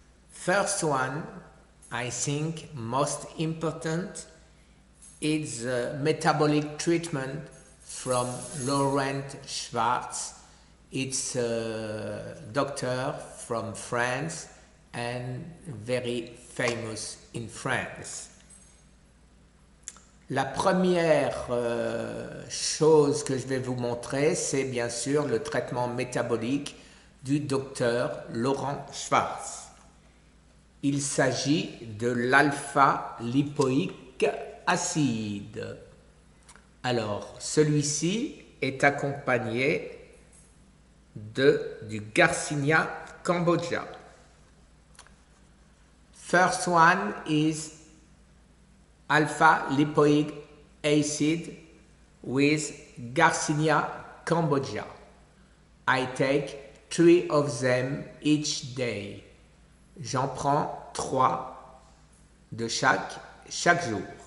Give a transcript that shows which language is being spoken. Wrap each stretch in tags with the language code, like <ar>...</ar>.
<en>First one, I think most important, is the metabolic treatment from Laurent Schwartz. It's a doctor from France and very famous in France.</en> <fr>La première chose que je vais vous montrer, c'est bien sûr le traitement métabolique du docteur Laurent Schwartz. Il s'agit de l'alpha-lipoïque acide. Alors, celui-ci est accompagné du Garcinia Cambogia.</fr> <en>First one is alpha-lipoic acid with Garcinia Cambogia. I take 3 of them each day.</en> <fr>J'en prends 3 de chaque jour.</fr>